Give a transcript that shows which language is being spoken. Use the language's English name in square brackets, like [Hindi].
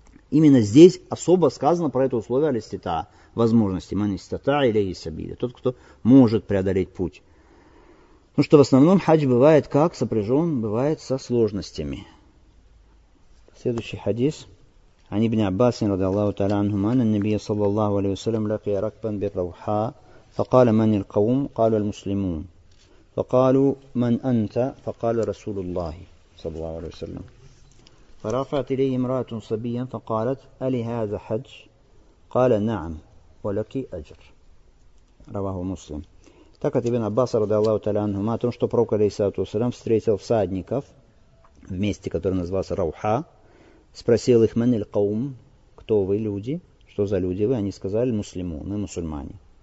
[Russian] Именно здесь особо сказано про это условие алистита, возможности, манистата или исабили, тот, кто может преодолеть путь. Потому что в основном хадж бывает как сопряжен, бывает со сложностями. Следующий хадис. [Arabic] عن ابن عباس رضي الله تعالى عنهما أن النبي صلى الله عليه وسلم لقي ركبا بالروحاء فقال من القوم؟ قالوا المسلمون. فقالوا من أنت؟ فقال رسول الله صلى الله عليه وسلم. فرفعت إليه امرأة صبيا فقالت ألي هذا حج؟ قال نعم ولك أجر. رواه مسلم. [Russian] Так от Ибн Аббаса, радиаллаху таля анхума, о том, что пророк, алейхиссалату вассалям, встретил всадников в месте, которое называлось Рауха, спросил их, [Arabic] «Ман иль каум?» [Russian] – «Кто вы, люди?» – «Что за люди вы?» – они сказали, «Муслимуны, мусульмане».